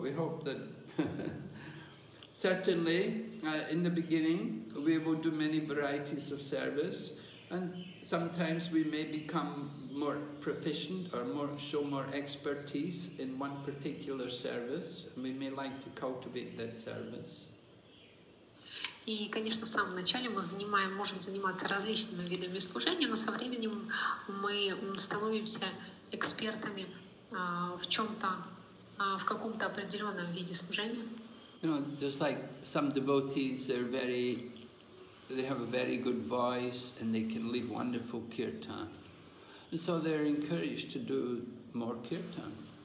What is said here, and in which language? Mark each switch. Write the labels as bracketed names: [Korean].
[English] We hope that certainly, in the beginning, we will do many varieties of service, and sometimes we may become more proficient or show more expertise in one particular service, and we may like to cultivate that service. [Russian] И, конечно, в самом начале мы можем заниматься различными видами служения, но со временем мы становимся экспертами в чем-то, в каком-то определенном виде служения. [English] You know, just like some devotees, they're very, they have a very good voice and they can lead wonderful kirtan. And so they're encouraged to do more kirtan.